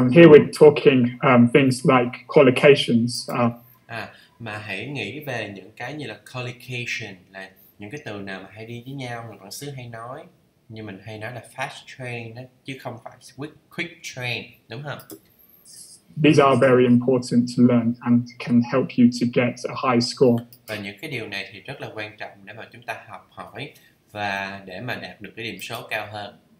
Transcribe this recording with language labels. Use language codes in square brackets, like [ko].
[en] Here we're talking things like collocations. [vi] Mà hãy nghĩ về những cái như là collocation, là những cái từ nào mà hay đi với nhau, người bản xứ hay nói. Như mình hay nói là [en] fast train [vi] đó, chứ không phải [en] quick train, [vi] đúng không? [en] These are very important to learn and can help you to get a high score. [vi] Và những cái điều này thì rất là quan trọng để mà chúng ta học hỏi và để mà đạt được cái điểm số cao hơn.